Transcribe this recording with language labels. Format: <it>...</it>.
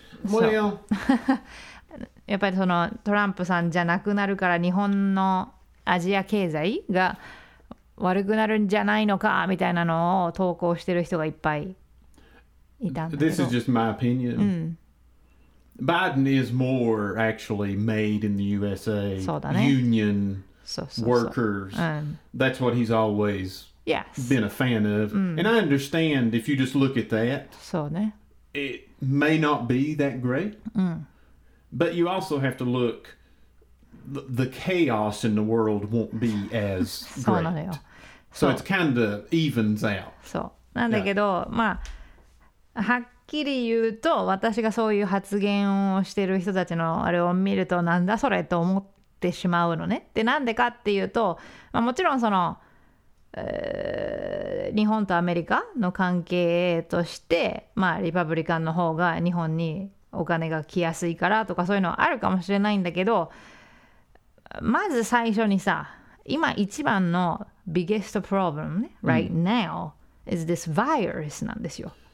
<en>Well,</en> <ja>やっぱりそのトランプさんじゃなくなるから日本のアジア経済が悪くなるんじゃないのかみたいなのを投稿してる人がいっぱいいたんだけど。</ja> <en>This is just my opinion. Biden is more actually made in the USA.</en> <ja>そうだね。</ja> <en>Union</en> <ja>そうそうそう</ja> <en>workers.、</en> <ja>うん、</ja> <en>That's what he's always. Yes. Been a fan of.、</en> <ja>うん、</ja> <en>and I understand if you just look at that.</en> <ja>そうね。</ja> <en>It may not be that great.、</en> <ja>うん、</ja> <en>but you also have to look. The chaos in the world won't be as great.</en> <ja>そうなのよ。</ja> <en>So it's kind of evens out.</en> <ja>そう。なんだけど、yeah. まあ、はっきり言うと、私がそういう発言をしている人たちのあれを見ると、なんだそれと思ってしまうのね。で、なんでかっていうと、まあ、もちろんその、日本とアメリカの関係として、まあ、リパブリカンの方が日本にお金が来やすいからとかそういうのはあるかもしれないんだけど、まず最初にさ、今一番の</ja> <en>biggest problem、</en> <ja>ね、</ja> <en>right now、</en> <ja>うん、</ja> <en>is this virus</en> <ja>なんですよ。</ja>